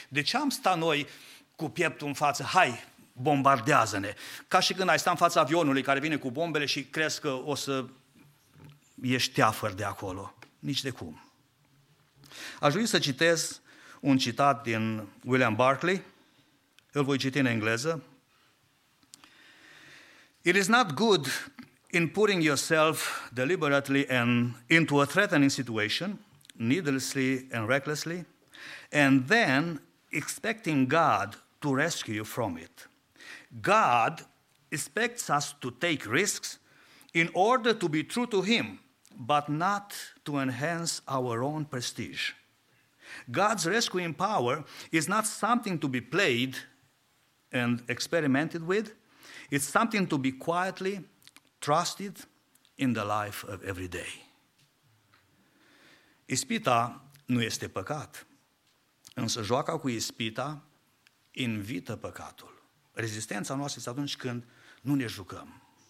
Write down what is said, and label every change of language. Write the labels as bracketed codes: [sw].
[ro] De ce am stat noi cu pieptul în față? Hai, bombardează-ne! Ca și când ai sta în fața avionului care vine cu bombele și crezi că o să ieși teafăr de acolo. Nici de cum. Aș vrea să citez un citat din William Barclay. Îl voi citi în engleză. [en] It is not good in putting yourself deliberately and into a threatening situation, needlessly and recklessly, and then expecting God to rescue you from it. God expects us to take risks in order to be true to Him, but not to enhance our own prestige. God's rescuing power is not something to be played and experimented with. It's something to be quietly trusted in the life of every day. [ro] Ispita nu este păcat, însă joaca cu ispita invită păcatul. Rezistența noastră este atunci când nu ne jucăm.